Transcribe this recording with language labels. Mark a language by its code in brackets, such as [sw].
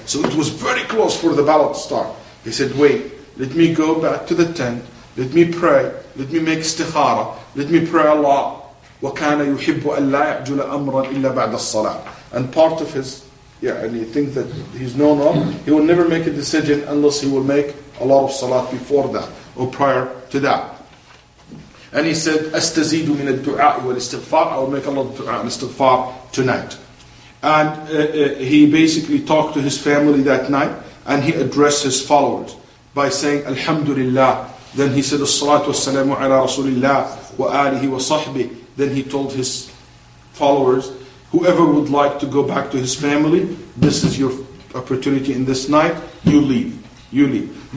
[en] So it was very close for the battle to start. He said, wait, let me go back to the tent, let me pray, let me make istikhara, let me pray Allah. [ar] وَكَانَ يُحِبُّ أَنْ لَا يَعْجُلَ أَمْرًا إِلَّا بَعْدَ الصَّلَاةِ. [en] And part of his things that he's known of, he will never make a decision unless he will make a lot of salat before that or prior to that. And he said, [ar] أَسْتَزِيدُ مِنَ الدُّعَاءِ وَالِاسْتِغْفَارِ. [en] I will make a lot of dua and istighfar tonight. And he basically talked to his family that night, and he addressed his followers by saying, Alhamdulillah. Then he said, [ar] As-salatu was-salamu ala Rasulillah wa alihi wa sahbihi. [en] Then he told his followers, whoever would like to go back to his family, this is your opportunity in this night, you leave. You leave.